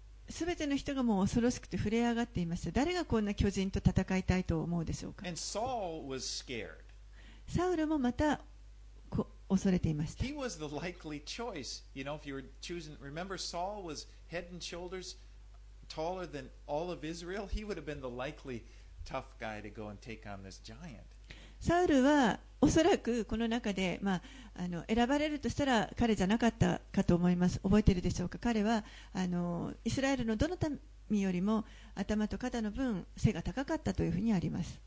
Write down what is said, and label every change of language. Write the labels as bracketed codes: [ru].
[ja] すべての人がもう恐ろしくて震え上がっていました。誰がこんな巨人と戦いたいと思うでしょうか。 [en] And Saul was scared. [ja] サウルもまた恐れていました。 [en] He was the likely choice. You know, if you were choosing, remember Saul was head and shoulders taller than all of Israel. He would have been the likely choice. tough guy to go and take on this giant. [ja] サウルはおそらくこの中で、まあ、あの選ばれるとしたら彼じゃなかったかと思います。覚えてるでしょうか。彼はあのイスラエルのどの民よりも頭と肩の分背が高かったというふうにあります。